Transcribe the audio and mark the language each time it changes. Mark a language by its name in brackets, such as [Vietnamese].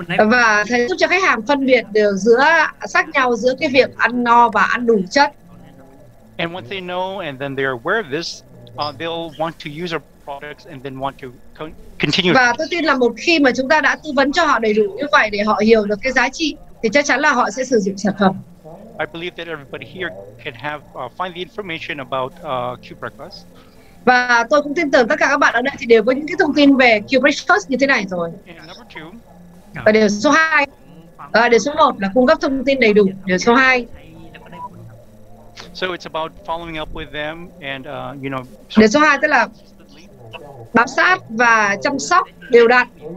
[Vietnamese] Và thầy giúp cho khách hàng phân biệt được giữa khác nhau giữa cái việc ăn no và ăn đủ chất. [English] And once they know, and then they're aware of this. They'll want to use our products and then want to continue. [Vietnamese] Và tôi tin là một khi mà chúng ta đã tư vấn cho họ đầy đủ như vậy để họ hiểu được cái giá trị thì chắc chắn là họ sẽ sử dụng sản phẩm. [English] I believe that everybody here can have find the information about Cube Breakfast. [Vietnamese] Và tôi cũng tin tưởng tất cả các bạn ở đây thì đều có những cái thông tin về Cube Breakfast như thế này rồi. Và điều số 2. Điều số 1 là cung cấp thông tin đầy đủ. Điều số 2. [English] So it's about following up with them and you know. [Vietnamese] Điều số 2 tức là bám sát và chăm sóc đều đặn.